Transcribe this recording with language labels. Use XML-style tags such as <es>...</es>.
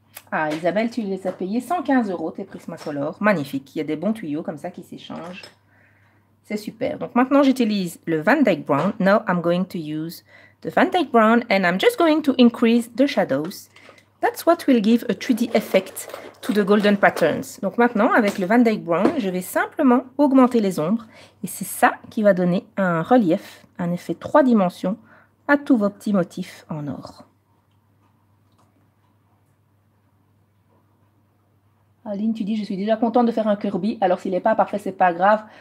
<fr>Ah, Isabelle, tu les as payés 115 € tes Prismacolor. Magnifique. Il y a des bons tuyaux comme ça qui s'échangent. C'est super. Donc maintenant, j'utilise le Van Dyke Brown.</fr> <en>Now I'm going to use the Van Dyke Brown and I'm just going to increase the shadows. That's what will give a 3D effect to the golden patterns.</en> <fr>Donc maintenant, avec le Van Dyke Brown, je vais simplement augmenter les ombres et c'est ça qui va donner un relief, un effet 3 dimensions à tous vos petits motifs en or. Aline, tu dis, je suis déjà contente de faire un Kirby. Alors, s'il n'est pas parfait, c'est pas grave.</fr>